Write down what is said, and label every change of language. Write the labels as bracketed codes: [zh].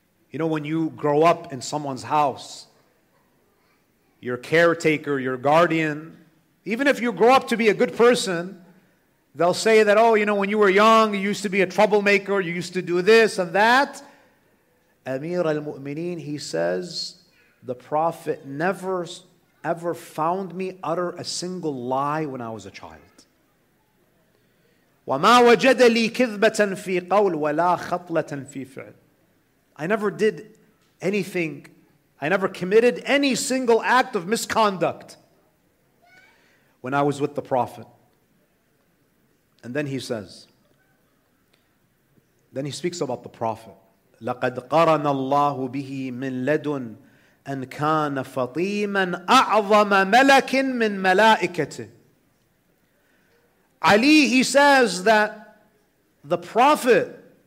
[en] You know, when you grow up in someone's house, your caretaker, your guardian, even if you grow up to be a good person, they'll say that, oh, you know, when you were young, you used to be a troublemaker, you used to do this and that. Amir al-Mu'mineen, he says, the Prophet never ever found me utter a single lie when I was a child. [ar] وَمَا وَجَدَ لِي كِذْبَةً فِي قَوْلِ وَلَا خَطْلَةً فِي فِعْلِ [en] I never did anything. I never committed any single act of misconduct when I was with the Prophet. And then he says, then he speaks about the Prophet. [ar] لَقَدْ قَرَنَ اللَّهُ بِهِ مِنْ لَدُنْ أَنْ كَانَ فَطِيمًا أَعْظَمَ مَلَكٍ مِنْ مَلَائِكَتِهِ [en] Ali, he says that the Prophet,